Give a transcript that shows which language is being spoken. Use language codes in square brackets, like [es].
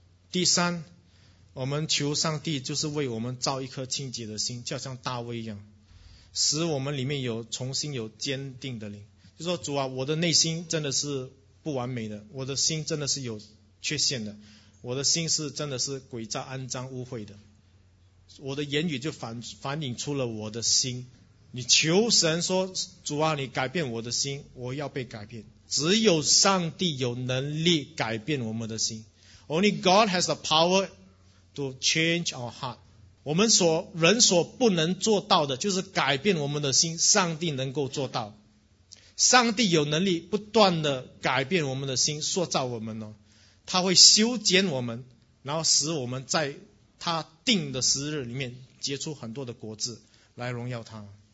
[zh] 第三，我们求上帝就是为我们造一颗清洁的心，就好像大卫一样，使我们里面有重新有坚定的灵，就说主啊，我的内心真的是不完美的，我的心真的是有缺陷的，我的心是真的是诡诈肮脏污秽的，我的言语就反映出了我的心，你求神说主啊，你改变我的心，我要被改变。只有上帝有能力改变我们的心， [en] Only God has the power to change our heart。 [zh] 我们所人所不能做到的就是改变我们的心，上帝能够做到，上帝有能力不断的改变我们的心，塑造我们，他会修剪我们，然后使我们在他定的时日里面结出很多的果子来荣耀他。